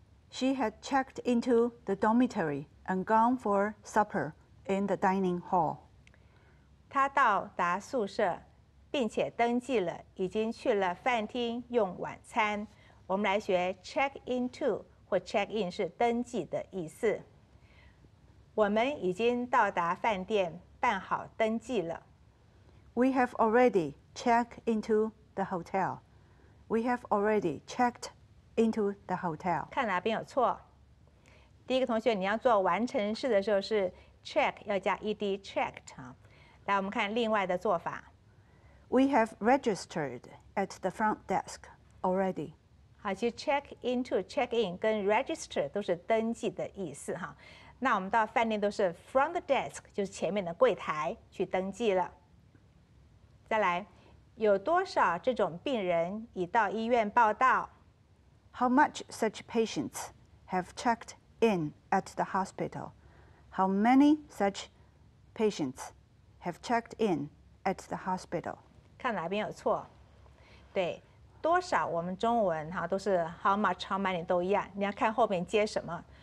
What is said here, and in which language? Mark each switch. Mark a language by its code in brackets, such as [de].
[en] She had checked into the dormitory and gone for supper in the dining hall。 [zh] 她到达宿舍。并且登记了，已经去了饭厅用晚餐。我们来学 check into 或 check in 是登记的意思。我们已经到达饭店，办好登记了。 [en] We have already checked into the hotel. We have already checked into the hotel. [zh] 看哪边有错？第一个同学，你要做完成式的时候是 check 要加 ed checked 啊。来，我们看另外的做法。 [en] We have registered at the front desk already. [zh] 好，其实 check into, check in 跟 register 都是登记的意思哈。那我们到饭店都是 front desk， 就是前面的柜台去登记了。再来，有多少这种病人已到医院报到？ [en] How much such patients have checked in at the hospital? How many such patients have checked in at the hospital? [zh] 看哪边有错？对，多少我们中文哈都是 how much how many 都一样，你要看后面接什么。